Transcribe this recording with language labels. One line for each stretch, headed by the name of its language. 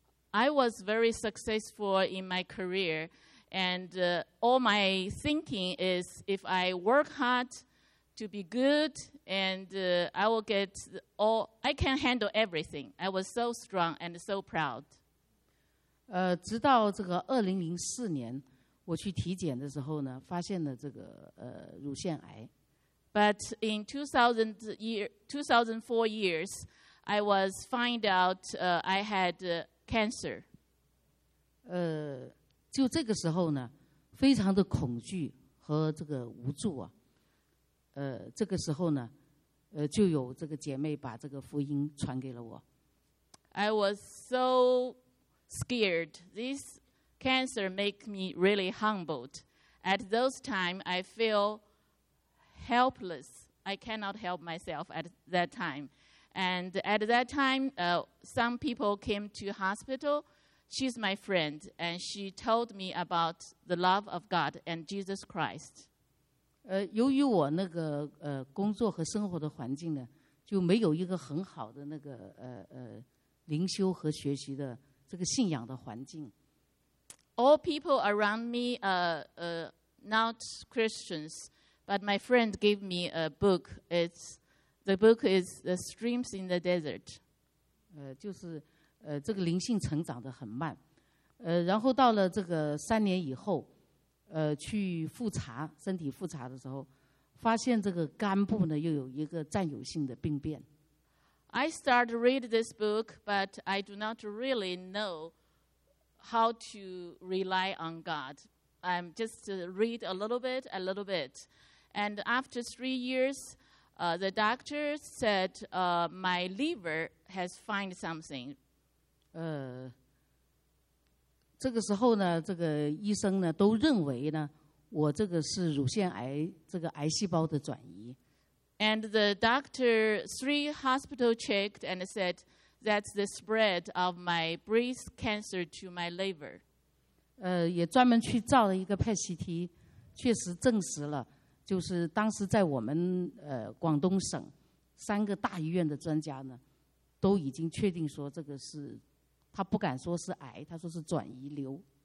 English: I was very successful in my career, and all my thinking is if I work hard to be good, and I will get all. I can handle everything. I was so strong and so proud.
Chinese: 直到这个2004年，我去体检的时候呢，发现了这个乳腺癌。
English: But in 2004 years, I was find out I had cancer.
Chinese: 就这个时候呢，非常的恐惧和这个无助啊。这个时候呢，就有这个姐妹把这个福音传给了我。
English: I was so. Scared. This cancer makes me really humbled. At those times, I feel helpless. I cannot help myself at that time. And at that time, some people came to hospital. She's my friend, and she told me about the love of God and Jesus Christ.
Chinese: 由于我那个工作和生活的环境呢，就没有一个很好的那个灵修和学习的。这个信仰的环境。
English: All people around me are not Christians, but my friend gave me a book. The book is The Streams in the Desert.
Chinese: 就是这个灵性成长的很慢。然后到了这个三年以后，去复查身体复查的时候，发现这个肝部呢又有一个占有性的病变。
English: I started to read this book, but I do not really know how to rely on God. I'm just read a little bit. And after 3 years, the doctor said my liver has found something.
Chinese: 这个时候呢，这个医生呢都认为呢，我这个是乳腺癌这个癌细胞的转移。
English: And the doctor, three hospital checked and said, that's the spread of my breast cancer to my liver.
Chinese: 也专门去照了一个 PET CT, 确实证实了，就是当时在我们广东省三个大医院的专家呢，都已经确定说这个是，他不敢说是癌，他说是转移瘤。